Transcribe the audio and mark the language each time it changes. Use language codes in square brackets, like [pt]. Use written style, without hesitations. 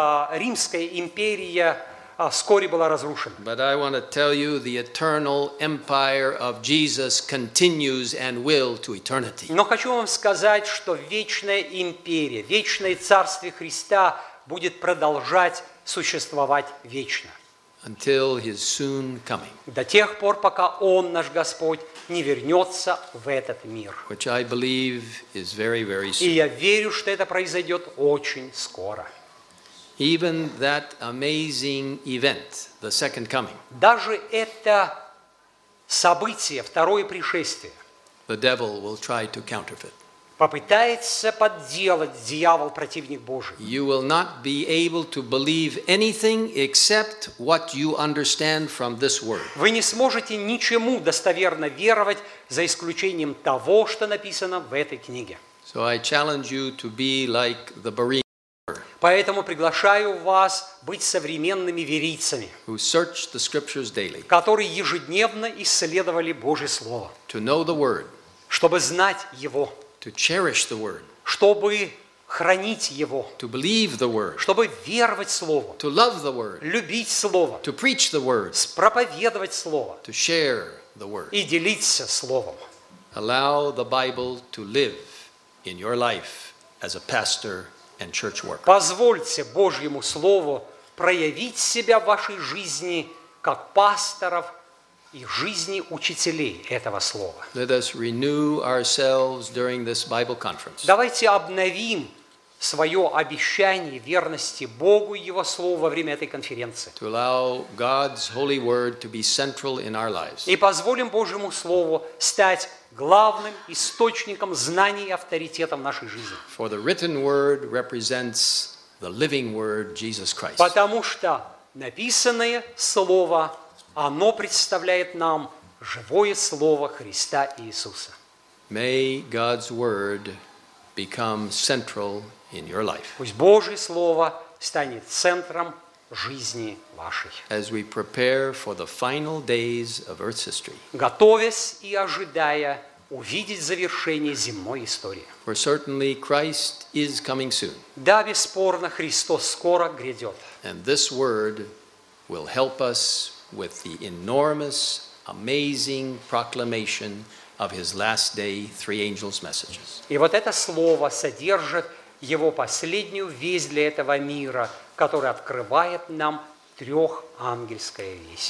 [ru] Римская империя вскоре была разрушена. [en] But I want to tell you the eternal empire of Jesus continues and will to eternity. [ru] Но хочу вам сказать, что вечная империя, вечное царствие Христа будет продолжать существовать вечно. [en] Until his soon coming. [ru] До тех пор, пока Он, наш Господь, не вернется в этот мир. [en] Which I believe is very, very soon. [ru] И я верю, что это произойдет очень скоро. [en] Even that amazing event, the second coming. [ru] Даже это событие, второе пришествие. [en] The devil will try to counterfeit. [ru] Попытается подделать дьявол, противник Божий. [en] You will not be able to believe anything except what you understand from this word. [ru] Вы не сможете ничему достоверно веровать за исключением того, что написано в этой книге. [en] So I challenge you to be like the Berean believer. [ru] Поэтому приглашаю вас быть современными верийцами, [en] who search the scriptures daily. [ru] Которые ежедневно исследовали Божье слово. [en] To know the word. [ru] Чтобы знать его. [en] To cherish the word. [ru] Чтобы хранить его. [en] To believe the word. [ru] Чтобы веровать слово. [en] To love the word. [ru] Любить слово. [en] To preach the word. [ru] Проповедовать слово. [en] To share the word. [ru] И делиться словом. [en] Allow the Bible to live in your life as a pastor and church worker. [ru] Позвольте Божьему слову проявить себя в вашей жизни как пасторов и жизни учителей этого слова. [en] Let us renew ourselves during this Bible conference. [ru] Давайте обновим свое обещание верности Богу и Его Слову во время этой конференции. [en] To allow God's holy word to be central in our lives. [ru] И позволим Божьему Слову стать главным источником знаний и авторитета в нашей жизни. [en] For the written word represents the living word, Jesus Christ. [ru] Потому что написанное Слово, оно представляет нам живое Слово Христа Иисуса. [en] May God's word become central in your life. [ru] Пусть Божье Слово станет центром жизни вашей. [en] As we prepare for the final days of Earth's history. [ru] Готовясь и ожидая увидеть завершение земной истории. [en] For certainly Christ is coming soon. [ru] Да, бесспорно, Христос скоро грядет. [en] And this word will help us with the enormous, amazing proclamation of his last day, three angels' messages. [ru] И вот это слово содержит его последнюю весть для этого мира, которая открывает нам трехангельская весть.